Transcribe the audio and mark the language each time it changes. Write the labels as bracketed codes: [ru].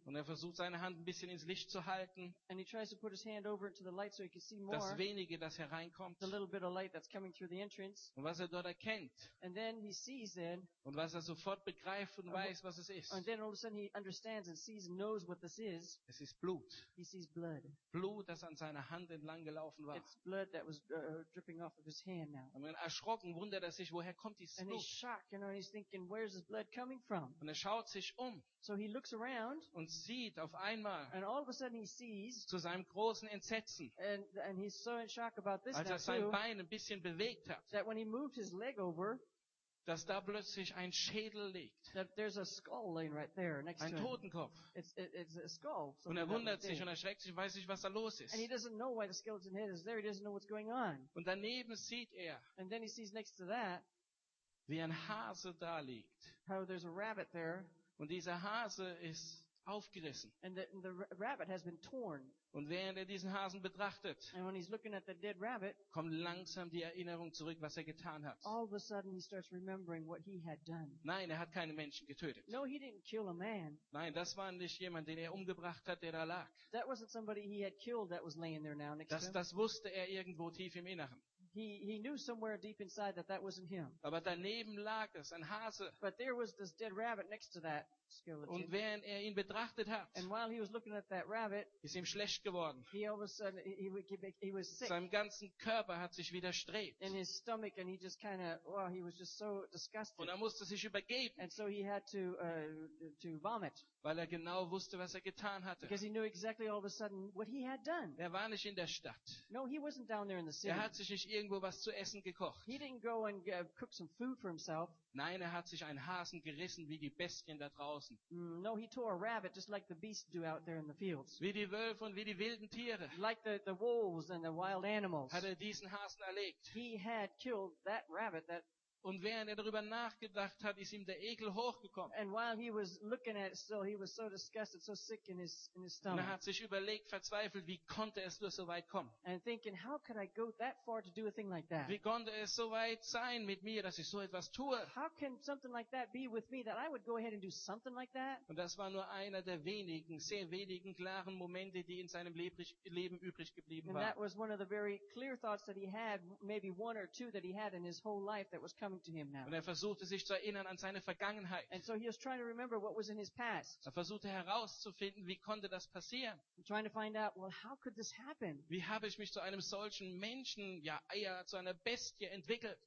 [de] Und er versucht seine Hand ein bisschen ins Licht zu halten. [en] And he tries to put his hand over into the light so he can see more. [de] Das wenige, das hereinkommt. [en] The little bit of light that's coming through the entrance. [de] Und was er dort erkennt. [en] And then he sees then. [de] Und was er sofort begreift und weiß, was es ist. [en] And then all of a sudden he understands and sees and knows what this is. [de] Es ist Blut. [en] He sees blood. [de] Blut, das an seiner Hand entlang gelaufen war. [en] It's blood that was dripping off of his hand now. [de] Und erschrocken wundert er sich, woher kommt dieses Blut? [en] And he's shocked, you know, and he's thinking, where's this blood coming from? [de] Und er schaut sich um. [en] So he looks around [de] und sieht auf einmal, [en] and all of a sudden he sees, [de] zu seinem großen Entsetzen, [en] and he's so in shock about this, [de] als er sein Bein ein bisschen bewegt hat, [en] that when he moved his leg over, [de] dass da plötzlich ein Schädel liegt. [en] That there's a skull laying right there next [de] ein [en] to [de] Totenkopf. [en] It's a skull. [de] Und er wundert sich und erschreckt sich, weiß nicht, was da los ist. [en] And he doesn't know why the skeleton head is there. He doesn't know what's going on. [de] Und daneben sieht er, [en] and then he sees next to that, [de] wie ein Hase da liegt. [en] How there's a rabbit there. [de] Und dieser Hase ist aufgerissen. [en] And the rabbit has been torn. [de] Und während er diesen Hasen betrachtet, [en] and when he's looking at the dead rabbit, [de] kommt langsam die Erinnerung zurück, was er getan hat. [en] All of a sudden he starts remembering what he had done. [de] Nein, er hat keine Menschen getötet. [en] No, he didn't kill a man. [de] Nein, das war nicht jemand, den er umgebracht hat, der da lag. [en] That wasn't somebody he had killed that was laying there now next to him. [de] Das wusste er irgendwo tief im Inneren. [en] He knew somewhere deep inside that wasn't him. [de] Aber daneben lag es, ein Hase. [en] But there was this dead rabbit next to that skeleton. [de] Und während er ihn betrachtet hat, [en] and while he was looking at that rabbit, [de] ist ihm schlecht geworden. [en] He all of a sudden, he was sick. [de] Sein ganzen Körper hat sich widerstrebt. [en] In his stomach, and he just kind of, well, he was just so disgusted. [de] Und er musste sich übergeben. [en] And so he had to vomit. [de] Weil er genau wusste, was er getan hatte. [en] Because he knew exactly all of a sudden what he had done. [de] Er war nicht in der Stadt. [en] No, he wasn't down there in the city. [de] Er hat sich nicht irgendwo was zu essen gekocht. [en] He didn't go and cook some food for himself. [de] Nein, er hat sich einen Hasen gerissen, wie die Bestien da draußen. [en] No, he tore a rabbit just like the beasts do out there in the fields. [de] Wie die Wölfe und wie die wilden Tiere. [en] Like the wolves and the wild animals. [de] Hat er diesen Hasen erlegt. [en] He had killed that rabbit that. [de] Und während er darüber nachgedacht hat, ist ihm der Ekel hochgekommen. [en] And while he was looking at it still, he was so disgusted, so sick in his stomach. [de] Und er hat sich überlegt, verzweifelt, wie konnte es nur so weit kommen? [en] And thinking, how could I go that far to do a thing like that? [de] Wie konnte es so weit sein mit mir, dass ich so etwas tue? [en] How can something like that be with me that I would go ahead and do something like that? [de] Und das war nur einer der wenigen, sehr wenigen klaren Momente, die in seinem Leben übrig geblieben waren. [en] And that was one of the very clear thoughts that he had, maybe one or two that he had in his whole life that was coming. [de] Und er versuchte sich zu erinnern an seine Vergangenheit. [en] And so he was trying to remember what was in his past. [de] Er versuchte herauszufinden, wie konnte das passieren? [en] Trying to find out, well, how could this happen? [de] Wie habe ich mich zu einem solchen Menschen, ja eher zu einer Bestie entwickelt?